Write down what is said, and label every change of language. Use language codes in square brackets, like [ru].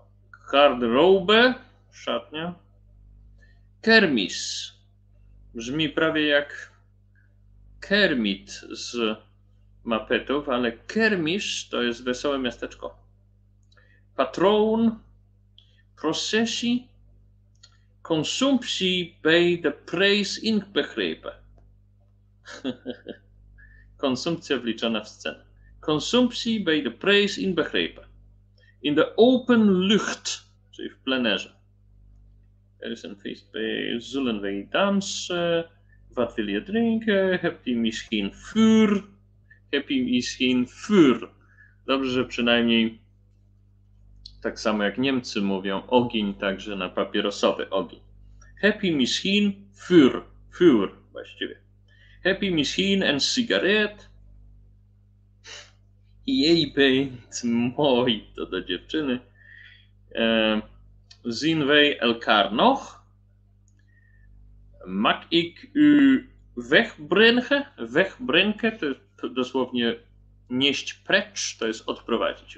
[pl] Hardrobe, szatnia. Kermis. Brzmi prawie jak Kermit z Mapetów, ale Kermis to jest wesołe miasteczko. [nl] Patron. Processie. Consumptie bij de prijs inbegrepen. [pl] Konsumpcja wliczona w cenę. [nl] Consumptie bij de prijs inbegrepen. In the open lucht, [pl] czyli w plenerze. [nl] Er is een feest bij, zullen wij dansen? Wat wil je drinken? Heb je misschien vuur? Heb je misschien vuur? [pl] Dobrze, że przynajmniej tak samo jak Niemcy mówią ogień, także na papierosowy ogień. [nl] Heb je misschien vuur? Vuur, właściwie. Heb je misschien een sigaret? [pl] Jej pejnt mój, to do dziewczyny. [nl] Zien wij elkaar nog? Mag ik u wegbrengen? [pl] Wegbrengen to jest dosłownie nieść precz, to jest odprowadzić.